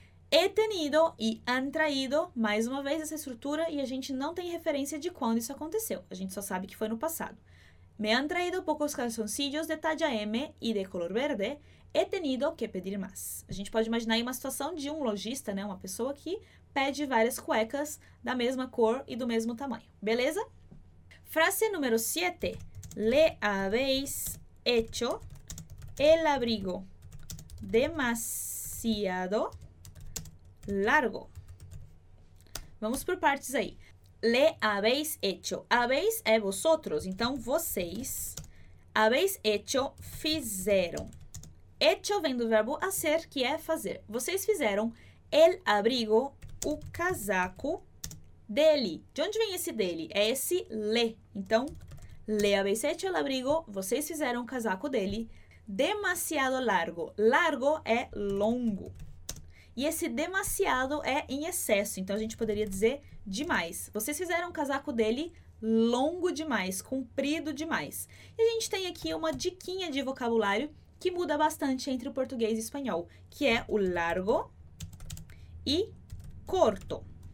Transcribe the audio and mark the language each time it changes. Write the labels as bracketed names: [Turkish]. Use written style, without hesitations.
[Portuguese] He tenido e han traído, mais uma vez, essa estrutura e a gente não tem referência de quando isso aconteceu. A gente só sabe que foi no passado. [Spanish] Me han traído pocos calzoncillos de talla M e de color verde. He tenido que pedir más. [Portuguese] A gente pode imaginar aí uma situação de um lojista, né? Uma pessoa que pede várias cuecas da mesma cor e do mesmo tamanho. Beleza? Frase número 7. [Spanish] Le habéis hecho el abrigo demasiado largo. [Portuguese] Vamos por partes aí. [Spanish] Le habéis hecho. [Portuguese] Habéis é vosotros. Então, vocês. Habéis hecho, fizeram. Hecho vem do verbo hacer, que é fazer. Vocês fizeram el abrigo, o casaco dele. De onde vem esse dele? É esse le. Então, [Spanish] le habéis hecho el abrigo. [Portuguese] Vocês fizeram o casaco dele. [Spanish] Demasiado largo. [Portuguese] Largo é longo. E esse demasiado é em excesso. Então, a gente poderia dizer demais. Vocês fizeram o casaco dele longo demais, comprido demais. E a gente tem aqui uma diquinha de vocabulário que muda bastante entre o português e o espanhol, que é o largo e corto.